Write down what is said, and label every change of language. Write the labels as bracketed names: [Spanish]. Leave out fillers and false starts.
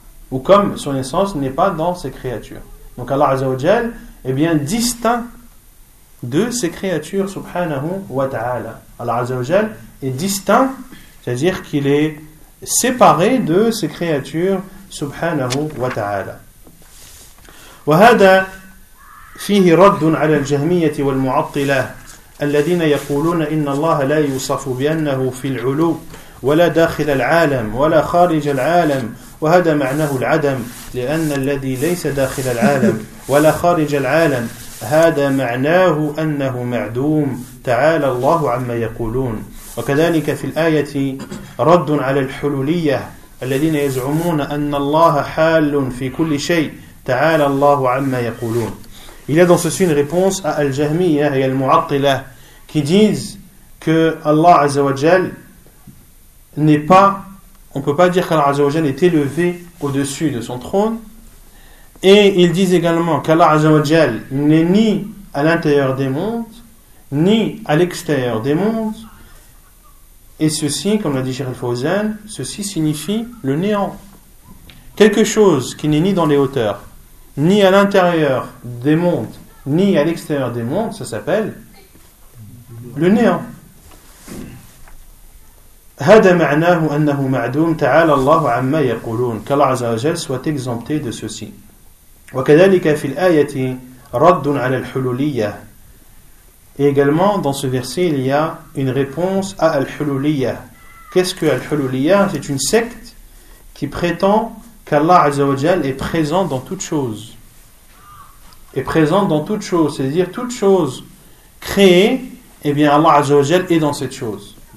[French] Ou comme son essence n'est pas dans ses créatures. Donc Allah Azza wa Jal est bien distinct de ses créatures, subhanahu wa ta'ala. Allah Azza wa Jal est distinct, c'est-à-dire qu'il est séparé de ses créatures, subhanahu wa ta'ala. [Arabic] وهذا فيه رد على الجهمية والمعطلة الذين يقولون إن الله لا يوصف بأنه في العلو ولا داخل العالم ولا خارج العالم وهذا معناه العدم لأن الذي ليس داخل العالم ولا خارج العالم هذا معناه أنه معدوم تعالى الله عما يقولون وكذلك في الآية رد على الحلولية الذين يزعمون أن الله حال في كل شيء تعالى الله عما يقولون. [French] Il y a dans ce sujet une réponse à Al-Jahmiya et Al-Mu'attila qui disent que Allah Azza wa Jal n'est pas. On ne peut pas dire qu'Allah Azza wa Jal est élevé au-dessus de son trône. Et ils disent également qu'Allah Azza wa Jal n'est ni à l'intérieur des mondes, ni à l'extérieur des mondes. Et ceci, comme l'a dit Cheikh Al-Fawzan, ceci signifie le néant. Quelque chose qui n'est ni dans les hauteurs, ni à l'intérieur des mondes, ni à l'extérieur des mondes, ça s'appelle le néant. [Arabic] هذا معناه أنه معدوم تعالى الله عما يقولون كالله عز وجل [French] soit exempté de ceci. [Arabic] وكذلك في الآية رد على الحلولية. [French] Et également dans ce verset il y a une réponse à الحلولية. Qu'est-ce que الحلولية? C'est une secte qui prétend qu'Allah عز وجل est présent dans toute chose. Est présent dans toute chose, c'est-à-dire toute chose créée, eh bien Allah عز وجل est dans cette chose.